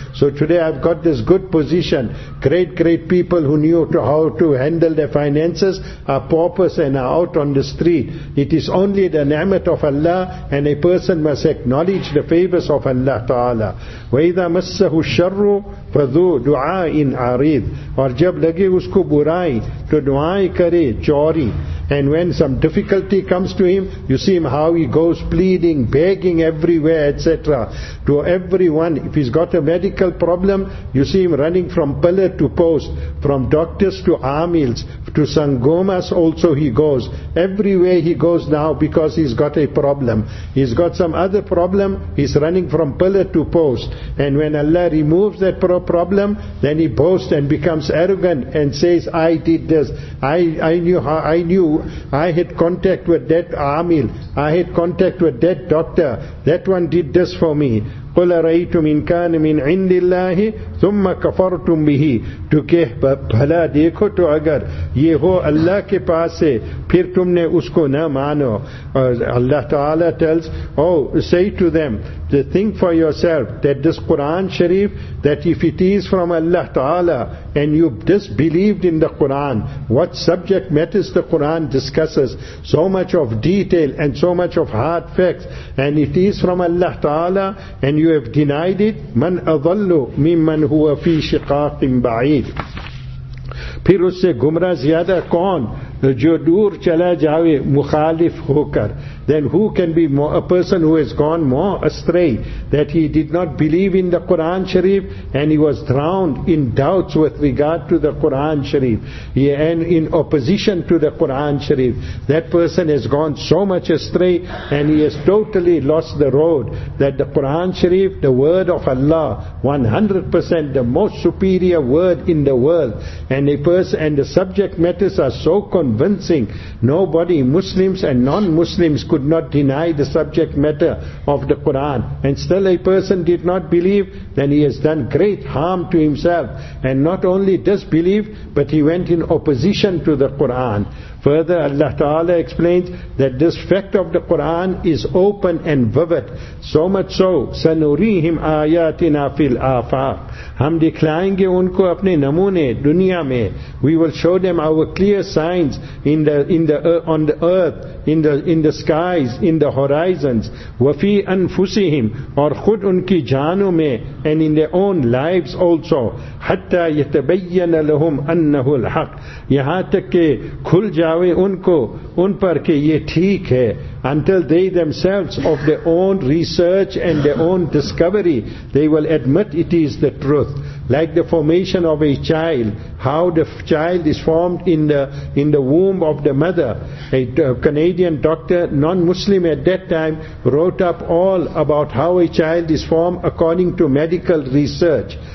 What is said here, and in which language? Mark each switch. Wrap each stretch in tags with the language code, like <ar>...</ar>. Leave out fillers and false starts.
<en>So today I've got this good position. Great, great people who knew to how to handle their finances are paupers and are out on the street. It is only the ni'mat of Allah, and a person must acknowledge the favors of Allah Ta'ala.</en> <ar>وَإِذَا مَسَّهُ الشَّرُّ فَذُو دُعَاءٍ عَرِيدٍ.</ar> <ur>اور جب لگے اس کو برائی تو دعائیں کرے چوری.</ur> <en>And when some difficulty comes to him, you see him how he goes pleading, begging everywhere, etc. To everyone, if he's got a medical problem, you see him running from pillar to post, from doctors to amils, to sangomas also he goes. Everywhere he goes now because he's got a problem. He's got some other problem, he's running from pillar to post. And when Allah removes that problem, then he boasts and becomes arrogant and says, I did this, I knew. I had contact with that amil, I had contact with that doctor, that one did this for me.</en> <ar>قُلَ رَأَيْتُمْ إِنْ كَانَ مِنْ عِنْدِ اللَّهِ ثُمَّ كَفَرْتُمْ بِهِ.</ar> <ur>تو کہ بھلا دیکھو تو اگر یہ ہو اللہ کے پاس ہے پھر تم نے اس کو نہ مانو.</ur> <en>اللہ تعالیٰ tells, oh, say to them, to think for yourself that this Quran Sharif, that if it is from Allah Ta'ala and you disbelieved in the Quran, what subject matters the Quran discusses, so much of detail and so much of hard facts, and it is from Allah Ta'ala and you have denied it,</en> <ar>man adallu mimman huwa fi shiqaqin ba'id.</ar> <ur>پھر اس سے گمراہ زیادہ کون جو دور چلا جاوے مخالف ہو کر.</ur> <en>Then who can be more, a person who has gone more astray, that he did not believe in the Quran Sharif and he was drowned in doubts with regard to the Quran Sharif, yeah, and in opposition to the Quran Sharif. That person has gone so much astray and he has totally lost the road, that the Quran Sharif, the word of Allah, 100% the most superior word in the world, and a person, and the subject matters are so convincing, nobody, Muslims and non-Muslims, could not deny the subject matter of the Quran, and still a person did not believe, then he has done great harm to himself. And not only disbelief, but he went in opposition to the Quran. Further, Allah Ta'ala explains that this fact of the Quran is open and vivid. So much so,</en> <ar>سَنُرِيهِمْ آيَاتِنَا فِي الْآفَاقِ.</ar> <ur>ہم دکھلائیں گے ان کو اپنے نمونے دنیا میں.</ur> <en>We will show them our clear signs on the earth, in the skies, in the horizons.</en> <ar>وَفِي أَنفُسِهِمْ.</ar> <ur>اور خود ان کی جانوں میں,</ur> <en>and in their own lives also.</en> <ar>حَتَّى يَتَبَيَّنَ لَهُمْ أَنَّهُ الْحَقِّ.</ar> <ur>یہاں تک کہ کھل جاوے ان کو ان پر کہ یہ ٹھیک ہے.</ur> <en>Until they themselves, of their own research and their own discovery, they will admit it is the truth. Like the formation of a child, how the child is formed in the womb of the mother. A Canadian doctor, non-Muslim at that time, wrote up all about how a child is formed according to medical research.</en>